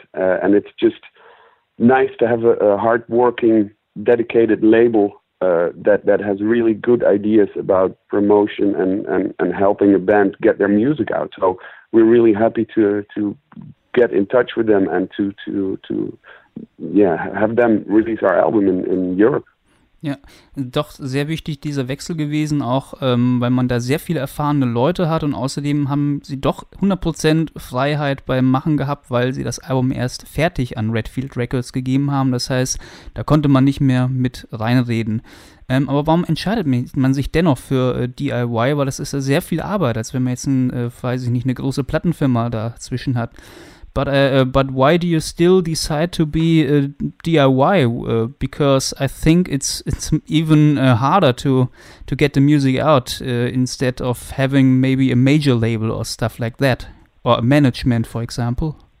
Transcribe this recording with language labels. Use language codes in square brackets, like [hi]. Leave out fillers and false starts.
[en] And it's just nice to have a hard-working, dedicated label that has really good ideas about promotion and helping a band get their music out. So we're really happy to get in touch with them and to have them release our album in Europe. [de] Ja, doch sehr wichtig dieser Wechsel gewesen, auch weil man da sehr viele erfahrene Leute hat, und außerdem haben sie doch 100% Freiheit beim Machen gehabt, weil sie das Album erst fertig an Redfield Records gegeben haben, das heißt, da konnte man nicht mehr mit reinreden. Aber warum entscheidet man sich dennoch für DIY, weil das ist ja sehr viel Arbeit, als wenn man jetzt eine große Plattenfirma dazwischen hat. [en] But why do you still decide to be DIY? Because I think it's even harder to get the music out instead of having maybe a major label or stuff like that, or a management, for example.